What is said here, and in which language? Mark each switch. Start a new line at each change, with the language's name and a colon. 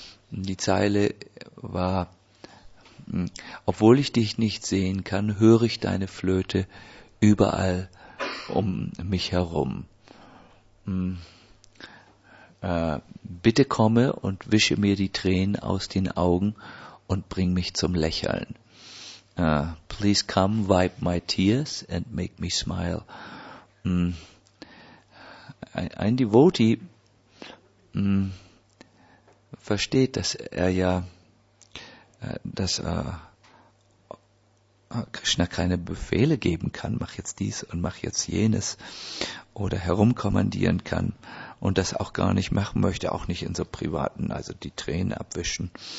German: Die Zeile war: obwohl ich dich nicht sehen kann, höre ich deine Flöte überall um mich herum. Bitte komme und wische mir die Tränen aus den Augen und bring mich zum Lächeln.
English: Please come, wipe my tears and make me smile.
German: Ein Devotee versteht, dass er ja, dass Krishna keine Befehle geben kann, mach jetzt dies und mach jetzt jenes, oder herumkommandieren kann und das auch gar nicht machen möchte, auch nicht in so privaten, also die Tränen abwischen.